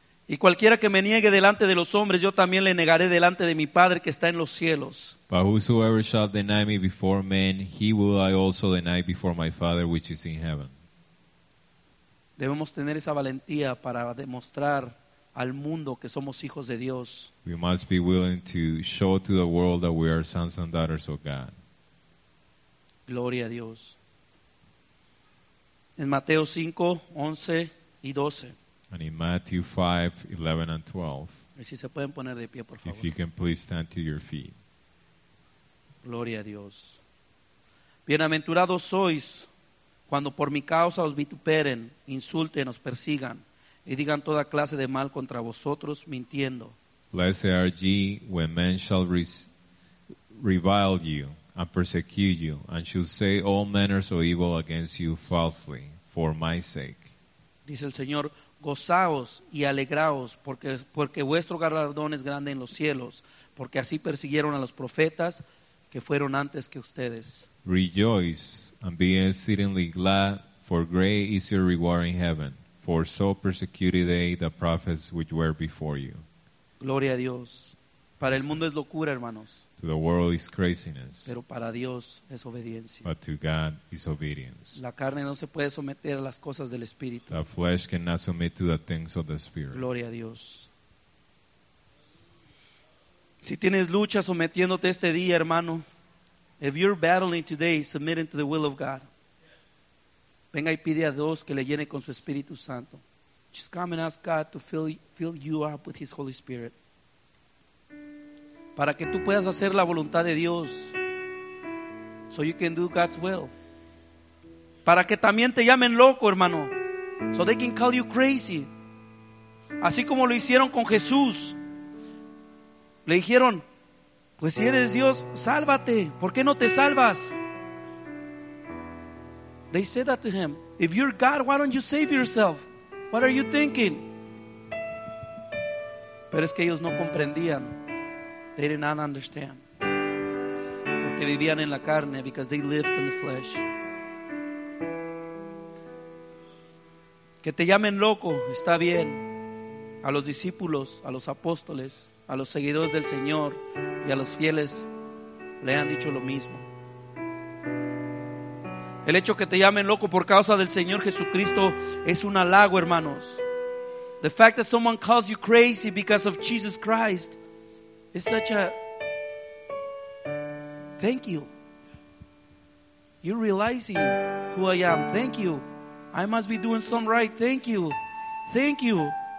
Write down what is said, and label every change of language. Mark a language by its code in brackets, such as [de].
[es] Y cualquiera que me niegue delante de los hombres, yo también le negaré delante de mi Padre que está en los cielos. [en] But whosoever shall deny me before men, he will I also deny before my Father which is in heaven. [es] Debemos tener esa valentía para demostrar al mundo que somos hijos de Dios. [en] We must be willing to show to the world that we are sons and daughters of God. [es] Gloria a Dios. En Mateo 5:11-12. [en] And in Matthew 5:11-12. [es] Si se pueden poner de pie, por favor. [en] If you can please stand to your feet. [es] Gloria a Dios. Bienaventurados sois cuando por mi causa os vituperen, insulten, os persigan y digan toda clase de mal contra vosotros, mintiendo. [en] Blessed are ye when men shall revile you and persecute you and shall say all manners of evil against you falsely for my sake. [es] Dice el Señor, gozaos y alegraos porque vuestro galardón es grande en los cielos, porque así persiguieron a los profetas que fueron antes que ustedes. [en] Rejoice and be exceedingly glad, for great is your reward in heaven, For so persecuted they the prophets which were before you. [es] Gloria a Dios. Para el mundo es locura, hermanos. [en] To the world is craziness. [es] Pero para Dios es obediencia. [en] But to God is obedience. [es] La carne no se puede someter a las cosas del Espíritu. [en] The flesh cannot submit to the things of the Spirit. [es] Gloria a Dios. Si tienes lucha sometiéndote este día, hermano. [en] If you're battling today, submitting to the will of God. [es] Venga y pide a Dios que le llene con su Espíritu Santo. [en] Just come and ask God to fill you up with His Holy Spirit. [es] Para que tú puedas hacer la voluntad de Dios. [en] So you can do God's will. [es] Para que también te llamen loco, hermano. [en] So they can call you crazy. [es] Así como lo hicieron con Jesús. Le dijeron, pues si eres Dios, sálvate. ¿Por qué no te salvas? [en] They said that to him. If you're God, why don't you save yourself? What are you thinking? [es] Pero es que ellos no comprendían. [en] They did not understand. [es] Porque vivían en la carne, [en] because they lived in the flesh. [es] Que te llamen loco, está bien. A los discípulos, a los apóstoles, a los seguidores del Señor y a los fieles le han dicho lo mismo. El hecho que te llamen loco por causa del Señor Jesucristo es un halago, hermanos. [en] The fact that someone calls you crazy because of Jesus Christ is such a thank you. You're realizing who I am. Thank you. I must be doing some right. Thank you. Thank you.